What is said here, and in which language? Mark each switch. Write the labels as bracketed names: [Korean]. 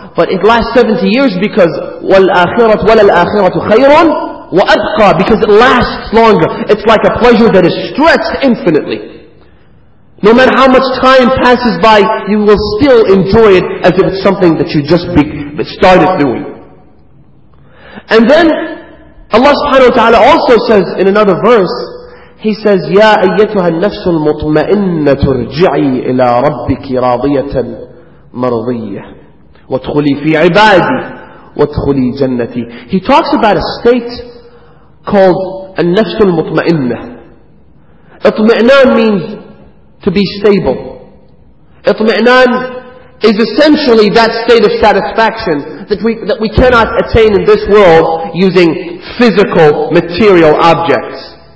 [English] But it lasts 70 years because [Arabic] وَالْآخِرَةُ خَيْرٌ وَأَبْقَى, [English] because it lasts longer. It's like a pleasure that is stretched infinitely. No matter how much time passes by, you will still enjoy it as if it's something that you just started doing. And then Allah subhanahu wa ta'ala also says in another verse, He says, [Arabic] يَا أَيَّتُهَا النَّفْسُ الْمُطْمَئِنَّةُ ارْجِعِي إِلَىٰ رَبِّكِ رَاضِيَةً مَرْضِيَّةً وَادْخُلِي فِي عِبَادِي وَادْخُلِي جَنَّتِي. [English] He talks about a state called [Arabic] النَّفْسُ الْمُطْمَئِنَّةُ. [English] اطمئنان means to be stable. اطمئنان is essentially that state of satisfaction that we cannot attain in this world using physical, material objects.